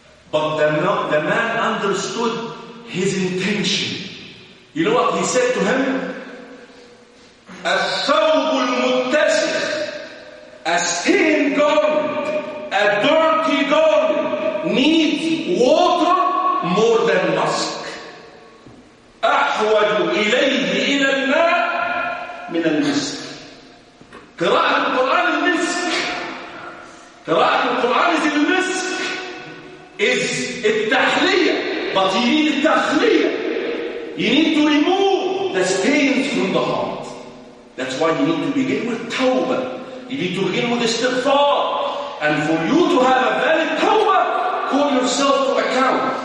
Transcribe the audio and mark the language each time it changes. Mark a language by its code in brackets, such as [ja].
[en] But the man understood his intention. You know what he said to him? [ar] As-sawb al-muttasikh. [en] A stained garment, a dirty garment, needs water more than musk. [ar] أحوج إليه إلى الماء من المسك. قراءة القرآن المسك. قراءة القرآن is المسك. Is التحلية. [en] But you need التحلية. You need to remove the stains from the heart. That's why you need to begin with tawbah. You need to begin with istighfar. And for you to have a valid tawbah, call yourself to account.